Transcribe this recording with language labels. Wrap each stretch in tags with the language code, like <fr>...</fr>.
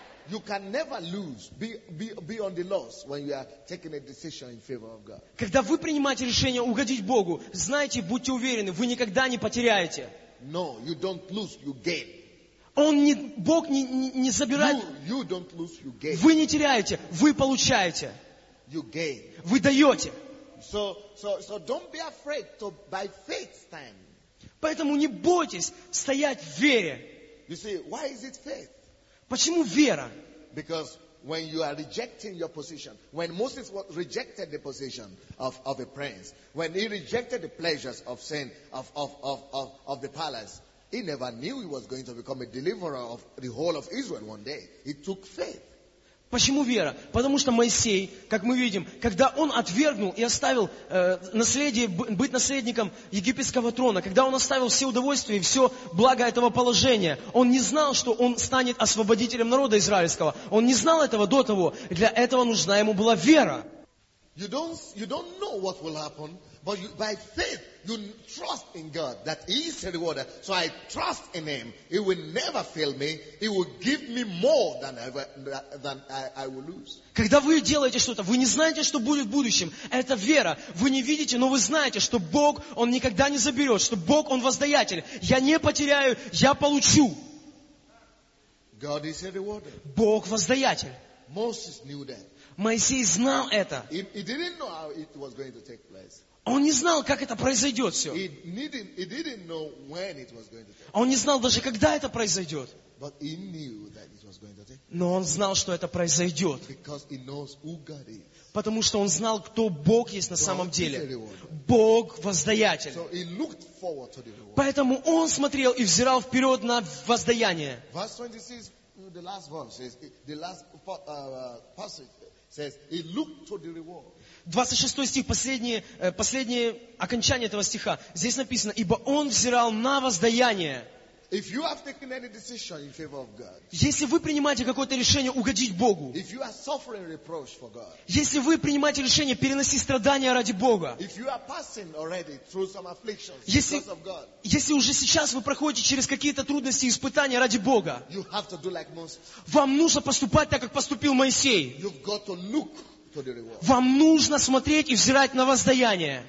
<en>You can never lose, be on the loss when you are taking a decision in favor of God.</en> <ru>Когда вы принимаете решение угодить Богу, знайте, будьте уверены, вы никогда не потеряете.</ru> <en>No, you don't lose, you gain.</en> <ru>Он не, Бог не забирает.</ru> <en>You don't lose, you gain.</en> <ru>Вы не теряете, вы получаете.</ru> <en>You gain.</en> <ru>Вы даете.</ru> <en>So don't be afraid to by faith stand.</en> <ru>Поэтому не бойтесь стоять в вере.</ru> <en>You see, why is it faith?</en> <ru>Почему вера?</ru> <en>Because when you are rejecting your position, when Moses rejected the position of a prince, when he rejected the pleasures of sin of the palace, he never knew he was going to become a deliverer of the whole of Israel one day. He took faith.</en> <ru>Почему вера? Потому что Моисей, как мы видим, когда он отвергнул и оставил наследие, быть наследником египетского трона, когда он оставил все удовольствия и все благо этого положения, он не знал, что он станет освободителем народа израильского. Он не знал этого до того. Для этого нужна ему была вера.</ru> <en>You don't know what will happen, but you, by faith you trust in God that He is a rewarder. So I trust in Him. He will never fail me. He will give me more than I will lose.</en> <ru>Когда вы делаете что-то, вы не знаете, что будет в будущем. Это вера. Вы не видите, но вы знаете, что Бог, Он никогда не заберет, что Бог, Он воздаятель. Я не потеряю, я получу.</ru> <en>God is a rewarder.</en> <ru>Бог воздаятель.</ru> <en>Moses knew that.</en> <ru>Моисей знал это.</ru> <en>He didn't know how it was going to take place.</en> <ru>Он не знал, как это произойдет все.</ru> <en>He didn't know when it was going to take place.</en> <ru>Он не знал даже, когда это произойдет.</ru> <en>But he knew that it was going to take place.</en> <ru>Но он знал, что это произойдет.</ru> <en>Because he knows who God is.</en> <ru>Потому что он знал, кто Бог есть на</ru> <en>God</en> <ru>самом деле.</ru> <en>Is a reward.</en> <ru>Бог – воздаятель.</ru> <en>So he looked forward to the reward.</en> <ru>Поэтому он смотрел и взирал вперед на воздаяние.</ru> <en>Verse 26, the last verse, the last passage. Says he looked to the reward.</en> <ru>26 стих, последнее окончание этого стиха. Здесь написано: ибо он взирал на воздаяние.</ru> <en>If you have taken any decision in favor of God,</en> <ru>если вы принимаете какое-то решение угодить Богу,</ru> <en>if you are suffering reproach for God,</en> <ru>если вы принимаете решение переносить страдания ради Бога,</ru> <en>if you are passing already through some afflictions,</en> <ru>если,</ru> <en>because of God,</en> <ru>если уже сейчас вы проходите через какие-то трудности и испытания ради Бога,</ru> <en>you have to do like Moses.</en> <ru>Вам нужно поступать так, как поступил Моисей.</ru> <en>You've got to look to the reward.</en> <ru>Вам нужно смотреть и взирать на воздаяние.</ru>